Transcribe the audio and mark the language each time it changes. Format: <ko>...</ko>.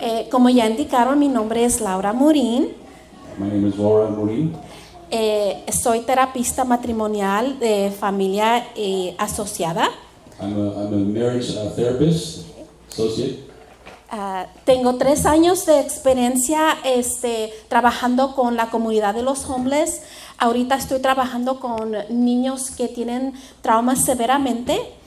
<es>Como ya indicaron, mi nombre es Laura Morín.</es> <en>My name is Laura Morín.</en> <es>Soy terapista matrimonial de familia asociada.</es> <en>I'm a marriage therapist, associate.</en> <es>Tengo 3 años de experiencia trabajando con la comunidad de los homeless. Ahorita estoy trabajando con niños que tienen traumas severamente.</es>